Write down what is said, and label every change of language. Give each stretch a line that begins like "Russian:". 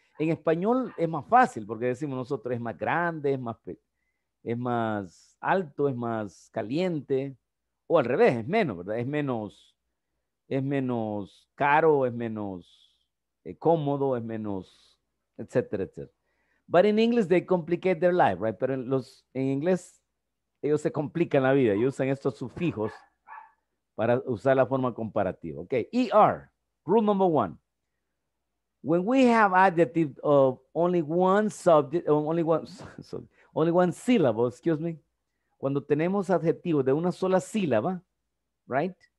Spanish: En español es más fácil, porque decimos nosotros es más grande, es más alto, es más caliente, o al revés, es menos, ¿verdad? Es menos caro, es menos cómodo, es menos, etcétera, etcétera.
English: But in English, they complicate their life, right?
Spanish: Pero en inglés, ellos se complican la vida y usan estos sufijos para usar la forma comparativa.
English: Okay, ER, rule number one. When we have adjective of only one subject, only one syllable, excuse me,
Spanish: cuando tenemos adjetivos de una sola sílaba,
English: right?